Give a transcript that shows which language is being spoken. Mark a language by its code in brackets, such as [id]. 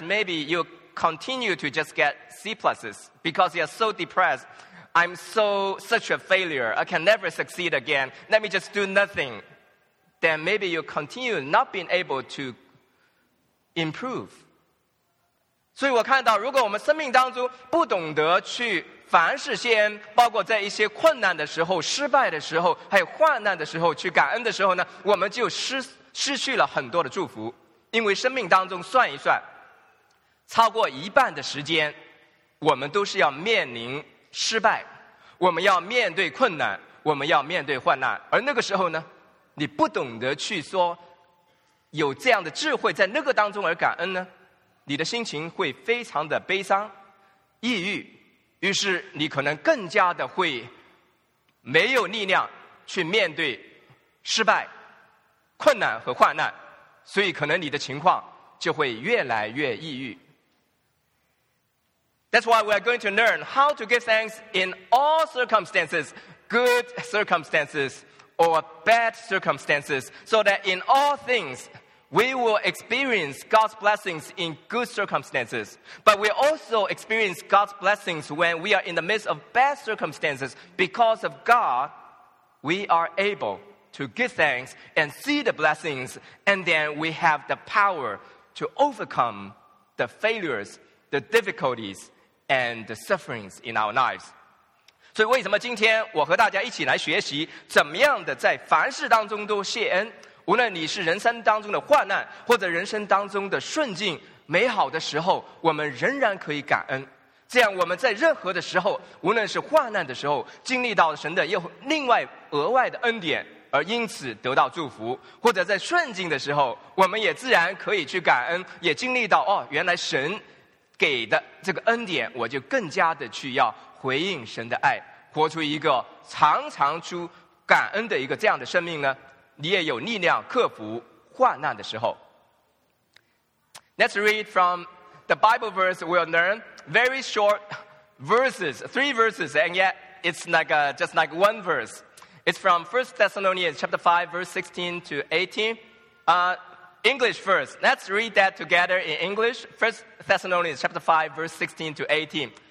[en] Maybe you continue to just get C pluses because you are so depressed. I'm such a failure. I can never succeed again. Let me just do nothing. Then maybe you continue not being able to improve. [zh] 所以我看到，如果我们生命当中不懂得去凡事谢恩，包括在一些困难的时候、失败的时候、还有患难的时候去感恩的时候呢，我们就失去了很多的祝福。因为生命当中算一算，超过一半的时间，我们都是要面临失败，我们要面对困难，我们要面对患难。而那个时候呢，你不懂得去说有这样的智慧在那个当中而感恩呢，你的心情会非常的悲伤、抑郁，于是你可能更加的会没有力量去面对失败、困难和患难，所以可能你的情况就会越来越抑郁。 [en] That's why we are going to learn how to give thanks in all circumstances, good circumstances or bad circumstances, so that in all things,We will experience God's blessings in good circumstances, but we also experience God's blessings when we are in the midst of bad circumstances. Because of God, we are able to give thanks and see the blessings, and then we have the power to overcome the failures, the difficulties, and the sufferings in our lives. [zh] 所以为什么今天我和大家一起来学习怎么样的在凡事当中都谢恩？无论你是人生当中的患难，或者人生当中的顺境、美好的时候，我们仍然可以感恩。这样我们在任何的时候，无论是患难的时候，经历到神的又另外额外的恩典，而因此得到祝福，或者在顺境的时候，我们也自然可以去感恩，也经历到哦，原来神给的这个恩典，我就更加的去要回应神的爱，活出一个常常出感恩的一个这样的生命呢，你也有力量克服患难的时候。 [en] Let's read from the Bible verse. We'll learn very short verses, three verses, and yet it's like a, just like one verse. It's from 1 Thessalonians chapter 5, verse 16 to 18. English first. Let's read that together in English. 1 Thessalonians chapter 5, verse 16 to 18.